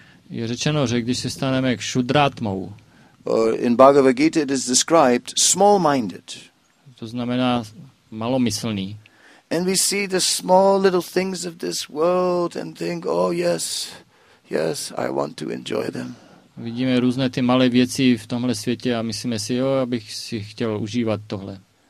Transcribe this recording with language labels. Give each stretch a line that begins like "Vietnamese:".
Czech: Je řečeno, že když se staneme kshudrátmou.
English: In Bhagavad Gita it is described small-minded.
Czech: To znamená malomyslný.
English: And we see the small little things of this world and think, oh yes, yes, I want to enjoy them.
Czech: Vidíme různé ty malé věci v tomhle světě a myslíme si, jo, abych si chtěl užívat tohle.